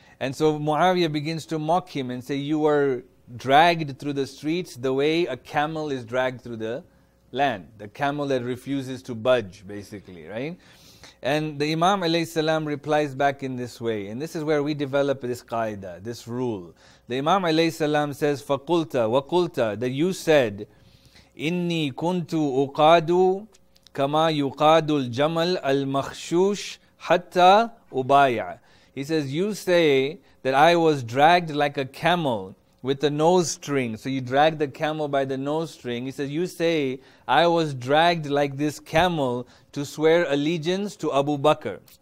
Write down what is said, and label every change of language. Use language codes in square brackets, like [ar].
[en] And so Muawiyah begins to mock him and say, you were dragged through the streets the way a camel is dragged through the land. The camel that refuses to budge, basically, right? And the Imam alayhi salam replies back in this way. And this is where we develop this qaida, this rule. The Imam alayhi salam says, [ar] فَقُلْتَ وَقُلْتَ, [en] that you said, [ar] إِنِّي كُنْتُ أُقَادُ كَمَا يُقَادُ الْجَمَلُ الْمَخْشُوشُ حَتَّى أُبَايَعَ. [en] He says, you say that I was dragged like a camel with a nose string. So you drag the camel by the nose string. He says, you say, I was dragged like this camel to swear allegiance to Abu Bakr.